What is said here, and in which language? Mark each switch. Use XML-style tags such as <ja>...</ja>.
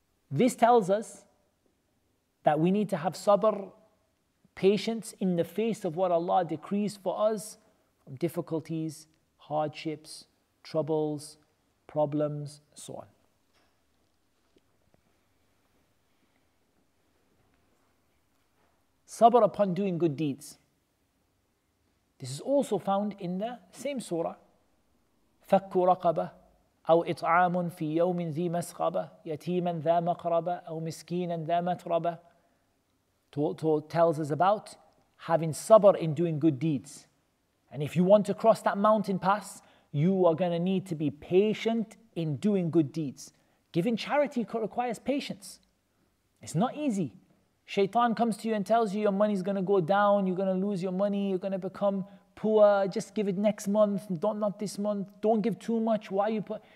<en>This tells us that we need to have sabr, patience in the face of what Allah decrees for us, difficulties, hardships, troubles, problems, so on. Sabr upon doing good deeds. This is also found in the same surah.</en> <ar>فَكُّ رَقَبَةً أَوْ إِطْعَامٌ فِي يَوْمٍ ذِي مَسْخَبَةً يَتِيمًا ذَا مَقْرَبَةً أَوْ مِسْكِينًا ذَا مَتْرَبَةً</ar> <en>tells us about having sabr in doing good deeds. And if you want to cross that mountain pass, you are going to need to be patient in doing good deeds. Giving charity requires patience. It's not easy. Shaitan comes to you and tells you your money's going to go down, you're going to lose your money, you're going to become poor, just give it next month, not this month, don't give too much, why are you poor?</en>